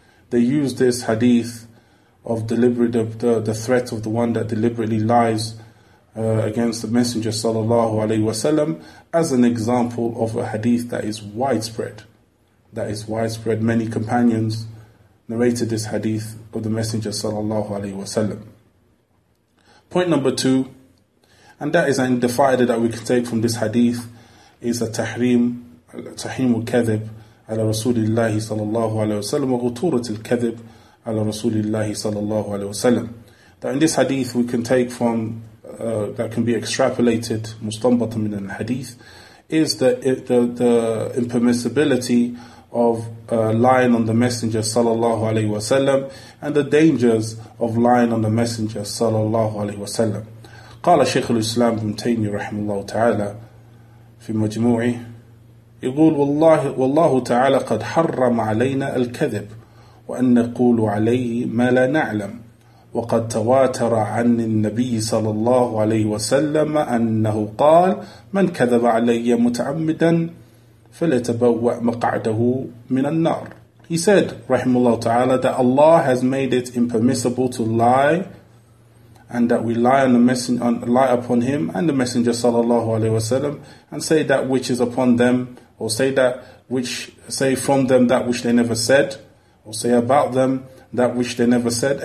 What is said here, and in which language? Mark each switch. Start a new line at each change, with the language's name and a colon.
English: They use this hadith of deliberate the threat of the one that deliberately lies against the messenger sallallahu alaihi wasallam as an example of a hadith that is widespread. That is widespread. Many companions narrated this hadith of the messenger sallallahu alaihi wasallam. Point number two, and that is an indefatigable that we can take from this hadith, is a tahrim.
Arabic: تحريم الكذب على رسول الله صلى الله عليه وسلم وغطورة الكذب على رسول الله صلى الله عليه وسلم.
English: That in this hadith we can take from that can be extrapolated
Arabic: مستنبطا من الحديث
English: is the impermissibility of lying on the messenger صلى الله عليه وسلم and the dangers of lying on the messenger صلى الله عليه وسلم.
Arabic: قال شيخ الإسلام بن تيمية رحمه الله تعالى في مجموعه يقول والله والله تعالى قد حرم علينا الكذب وأن نقول عليه ما لا نعلم وقد تواتر عن النبي صلى الله عليه وسلم أنه قال من كذب علي متعمدا فليتبوأ مقعده من النار.
English: He said رحمه الله تعالى that Allah has made it impermissible to lie and that we lie on the messenger, lie upon him and the messenger صلى الله عليه وسلم and say that which is upon them, or say that which say from them that which they never said, or say about them that which they never said.